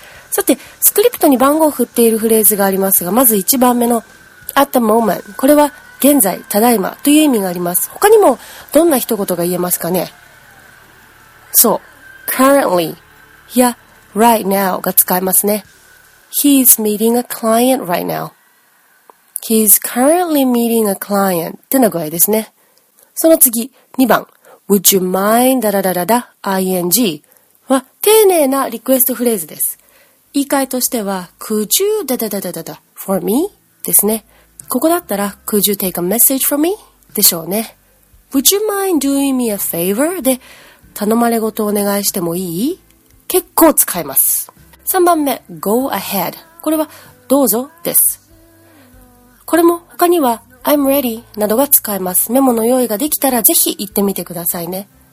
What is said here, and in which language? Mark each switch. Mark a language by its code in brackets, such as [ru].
[ja] さて、スクリプトに番号を振っているフレーズがありますが、まず1番目の [en] At the moment、 [ja] これは現在、ただいまという意味があります。他にもどんな一言が言えますかね。そう、 Currently や [en] Right now [ja] が使えますね。 [en] He's meeting a client right now. He's currently meeting a client [ja] ってな具合ですね。その次、2番、 [en] Would you mind [ja] だらだらだ ing は丁寧なリクエストフレーズです。言い換えとしては、 [en] Could you [ja] だだだだだだ [en] for me [ja] ですね。ここだったら [en] Could you take a message for me [ja] でしょうね。 [en] Would you mind doing me a favor [ja] で頼まれ事をお願いしてもいい、結構使えます。 3番目、 [en] Go ahead、 [ja] これはどうぞです。これも他には [en] I'm ready [ja] などが使えます。メモの用意ができたらぜひ行ってみてくださいね。